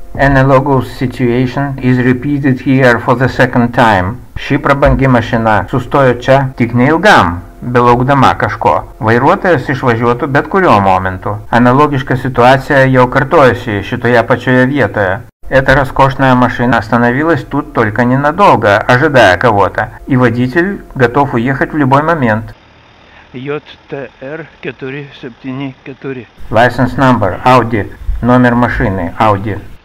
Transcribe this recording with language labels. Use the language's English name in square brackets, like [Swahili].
[English] Analogous situation is repeated here for the second time. [Lithuanian] Ši prabangi mašina sustojo čia tik neilgam, belaukdama kažko. Vairuotojas išvažiuotų bet kuriuo momentu. Analogiška situacija jau kartojasi šitoje pačioje vietoje. [Russian] Эта роскошная машина остановилась тут только ненадолго, ожидая кого-то. И водитель готов уехать в любой момент. JTR474. [English] License number, Audi. [Russian] Номер машины, [English] Audi.